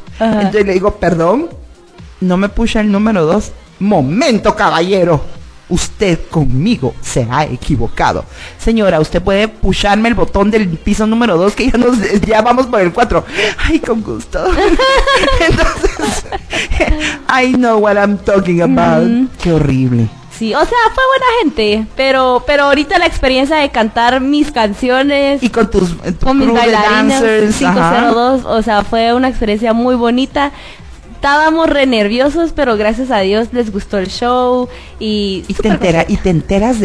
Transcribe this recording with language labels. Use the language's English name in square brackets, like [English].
[Spanish] Entonces le digo, perdón, no me pusha el número 2. Momento, caballero. Usted conmigo se ha equivocado. Señora, usted puede pusharme el botón del piso número 2, que ya vamos por el 4. Ay, con gusto. Entonces, [English] I know what I'm talking about. [Spanish] Qué horrible. Sí, o sea, fue buena gente, pero ahorita la experiencia de cantar mis canciones y con mis bailarines 502, o sea, fue una experiencia muy bonita. Estábamos re nerviosos, pero gracias a Dios les gustó el show y te enteras